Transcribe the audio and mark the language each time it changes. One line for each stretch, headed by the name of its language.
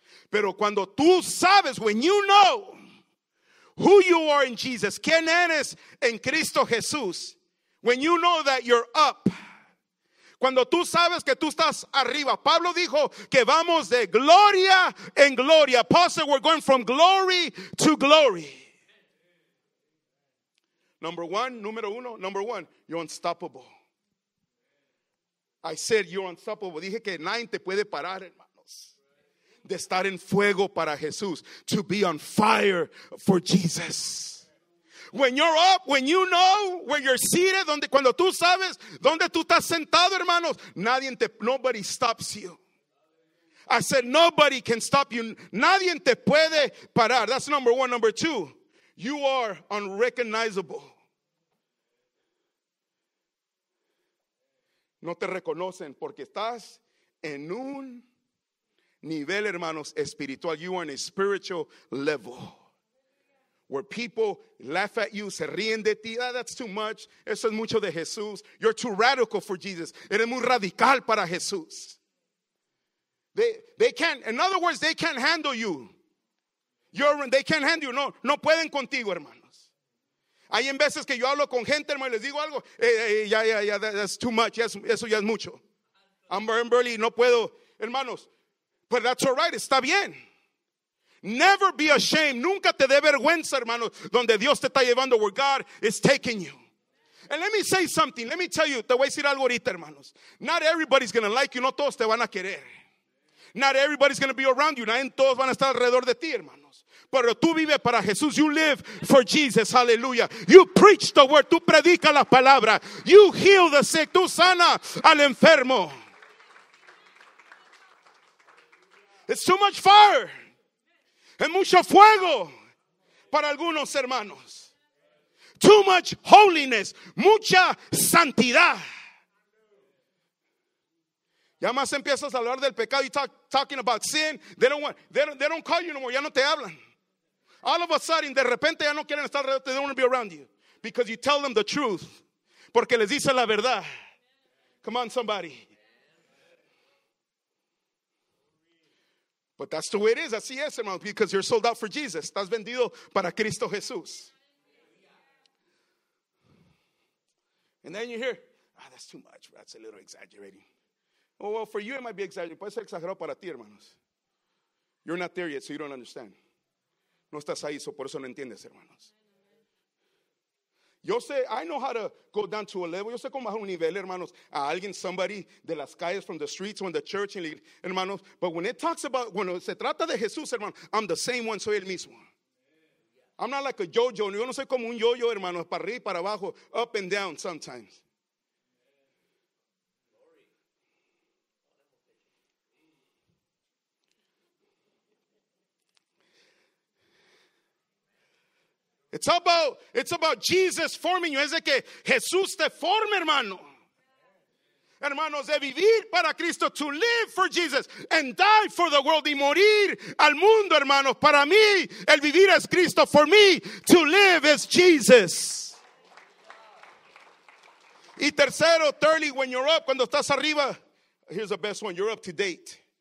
Spanish: Pero cuando tú sabes,
English: when you know who you are in Jesus,
Spanish: quién eres en Cristo Jesús,
English: when you know that you're up,
Spanish: cuando tú sabes que tú estás arriba. Pablo dijo que vamos de gloria en gloria.
English: Paul said we're going from glory to glory. Number one, you're unstoppable. I said you're unstoppable.
Spanish: Dije que nadie te puede parar, hermanos, de estar en fuego para Jesús.
English: To be on fire for Jesus. When you're up, when you know where you're seated,
Spanish: donde, cuando tú sabes dónde tú estás sentado, hermanos,
English: nobody stops you. I said nobody can stop you.
Spanish: Nadie te puede parar.
English: That's number one. Number two, you are unrecognizable.
Spanish: No te reconocen porque estás en un nivel, hermanos, espiritual.
English: You are in a spiritual level. Where people laugh at you,
Spanish: se ríen de ti.
English: Ah, that's too much.
Spanish: Eso es mucho de Jesús.
English: You're too radical for Jesus.
Spanish: Eres muy radical para Jesús.
English: They can't, in other words, they can't handle you. They can't handle you.
Spanish: No pueden contigo, hermanos. Hay en veces que yo hablo con gente, hermano, y les digo algo.
English: That's too much.
Spanish: Yes, eso ya es mucho.
English: I'm barely,
Spanish: no puedo, hermanos.
English: But that's all right.
Spanish: Está bien.
English: Never be ashamed.
Spanish: Nunca te dé vergüenza, hermano, donde Dios te está llevando,
English: where God is taking you. And let me say something. Let me tell you.
Spanish: Te voy a decir algo ahorita, hermanos.
English: Not everybody's going to like you.
Spanish: No todos te van a querer.
English: Not everybody's going to be around you.
Spanish: No todos van a estar alrededor de ti, hermanos.
English: Pero tú vives para Jesús. You live for Jesus. Hallelujah. You preach the word.
Spanish: Tú predicas la palabra.
English: You heal the sick.
Spanish: Tú sana al enfermo.
English: It's too much fire.
Spanish: Es mucho fuego para algunos hermanos.
English: Too much holiness.
Spanish: Mucha santidad. Ya más empiezas a hablar del pecado.
English: You talking about sin. They don't call you no more.
Spanish: Ya no te hablan.
English: All of a sudden,
Spanish: de repente ya no quieren estar alrededor.
English: They don't want to be around you. Because you tell them the truth.
Spanish: Porque les dice la verdad.
English: Come on, somebody. But that's the way it is.
Spanish: Así es, hermano,
English: because you're sold out for Jesus.
Spanish: Estás vendido para Cristo Jesús.
English: And then you hear, ah, that's too much. That's a little exaggerating. Oh, well, for you it might be exaggerating.
Spanish: Puede ser exagerado para ti, hermanos.
English: You're not there yet, so you don't understand.
Spanish: No estás ahí, so por eso no entiendes, hermanos. Yo sé, I know how to go down to a level. Yo sé cómo bajar un nivel, hermanos, a alguien,
English: somebody,
Spanish: de las calles,
English: from the streets, from the church, hermanos. But when it talks about,
Spanish: cuando se trata de Jesús, hermano,
English: I'm the same one,
Spanish: soy el mismo.
English: I'm not like a yo-yo.
Spanish: Yo no soy como un yo-yo, hermano, para arriba y para abajo,
English: up and down sometimes. It's about Jesus forming you.
Spanish: Es de que Jesús te forme, hermano. Hermanos, de vivir para Cristo,
English: to live for Jesus and die for the world,
Spanish: y morir al mundo, hermanos. Para mí, el vivir es Cristo.
English: For me, to live is Jesus.
Spanish: Y tercero,
English: thirdly, when you're up,
Spanish: cuando estás arriba,
English: here's the best one, you're up to date.